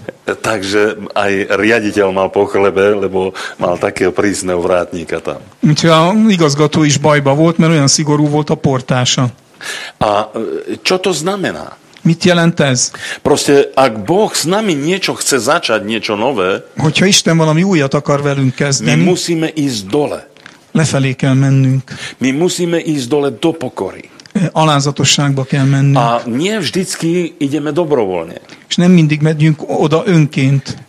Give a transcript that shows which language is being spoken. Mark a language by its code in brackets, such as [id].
[sk] Takže aj riaditeľ mal po chlebe, lebo mal takého prísneho vrátnika tam. [hu] Úgyhogy az igazgató is bajba volt, mert olyan szigorú volt a portása. [sk] A čo to znamená? [hu] Mit jelent ez? [sk] Proste, ak Boh s nami niečo chce začať, niečo nové, [hu] hogyha Isten valami újat akar velünk kezdeni, [sk] my musíme ísť dole. [hu] Lefelé kell mennünk. [sk] My musíme ísť dole do pokory. [hu] Alázatosságba kell mennünk. [sk] A nie vždycky ideme dobrovoľne. [hu] És nem mindig megyünk oda önként.